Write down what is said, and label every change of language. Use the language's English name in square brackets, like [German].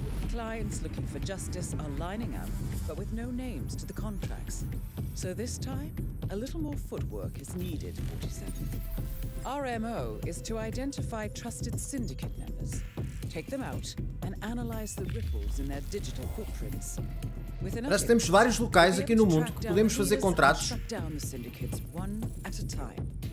[English] Clients looking for justice are lining up, but with no names to the contracts. So this time, a little more footwork is needed, 47. Our MO is to identify trusted syndicate members. Take them out and analyze the ripples in their digital footprints. [Portuguese] Nós temos vários locais aqui no mundo que podemos fazer contratos. [English] Shut down the syndicates one at a time.